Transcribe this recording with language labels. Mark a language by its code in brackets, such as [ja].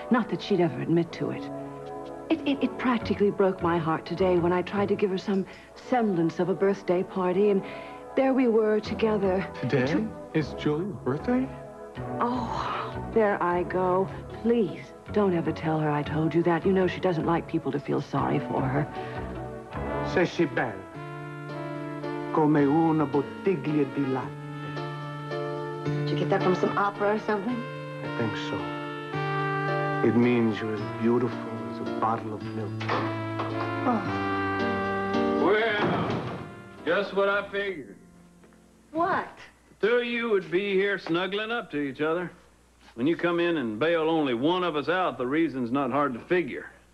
[en] Not that she'd ever admit to it. It practically broke my heart today when I tried to give her some semblance of a birthday party, and there we were together. Today? Is Julie's birthday? Oh, there I go. Please, don't ever tell her I told you that. You know she doesn't like people to feel sorry for her. [it] Sei si bella come una bottiglia di latte. [en] Did you get that from some opera or something? I think so. It means you're as beautiful as a bottle of milk. Oh. Well, just what I figured. What? The two of you would be here snuggling up to each other. When you come in and bail only one of us out, the reason's not hard to figure.